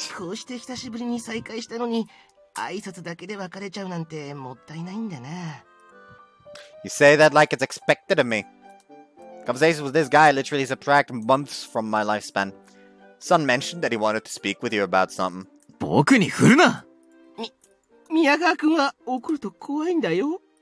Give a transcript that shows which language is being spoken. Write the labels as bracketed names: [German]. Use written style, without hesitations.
[Japanese] こうして久しぶりに再会したのに、 挨拶だけで別れちゃうなんてもったいないんだな。 [English] You say that like it's expected of me. Conversations with this guy literally subtract months from my lifespan. Son mentioned that he wanted to speak with you about something. [Japanese] 僕に振るな! み、宮川君は怒ると怖いんだよ。